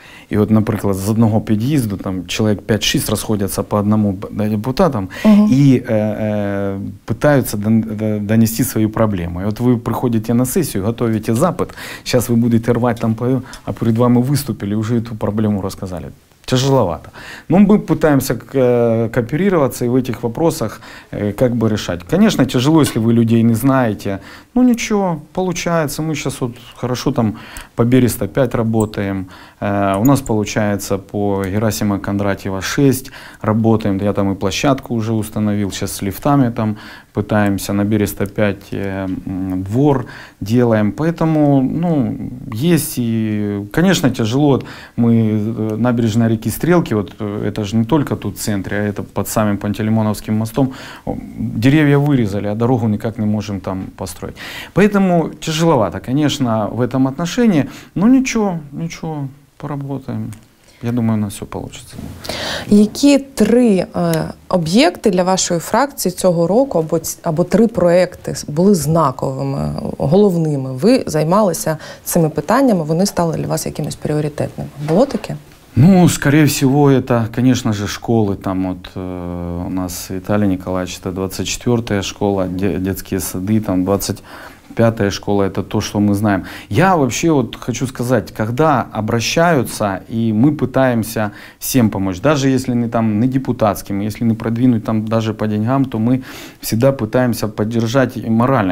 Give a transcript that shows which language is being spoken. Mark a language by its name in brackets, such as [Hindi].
[Ukrainian] І от, наприклад, з одного під'їзду там чоловік 5-6 розходяться по одному депутатам і питаються донести свої проблеми. І от ви приходите на сесію, готуєте запит, зараз ви будете рвати там, а перед вами виступили, вже ту проблему розказали. [Russian] Тяжеловато. Ну, ми пытаемся кооперироваться и в этих вопросах как бы решать. Конечно, тяжело, если вы людей не знаете. Ну, ничего, получается. Мы сейчас вот хорошо там по Береста 5 работаем. У нас получается по Герасима Кондратьева 6 работаем. Я там и площадку уже установил. Сейчас с лифтами там пытаемся. На Береста 5 двор делаем. Поэтому, ну, есть и... Конечно, тяжело. Вот мы набережная реки Стрелки, вот это же не только тут в центре, а это под самым Пантелеймоновским мостом, деревья вырезали, а дорогу никак не можем там построить. Поэтому тяжеловато, конечно, в этом отношении, но ничего, поработаем. Я думаю, у нас все получится. [Ukrainian] Які три об'єкти для вашої фракції цього року або три проекти були знаковими, головними? Ви займалися цими питаннями, вони стали для вас якимось пріоритетними. Було таке? [Russian] Ну, скорее всего, это, конечно же, школы. Там вот у нас Виталий Николаевич, это 24-я школа, детские сады, там 25-я школа, это то, что мы знаем. Я вообще вот хочу сказать, когда обращаются, и мы пытаемся всем помочь, даже если не там не депутатским, если не продвинуть там даже по деньгам, то мы всегда пытаемся поддержать и морально.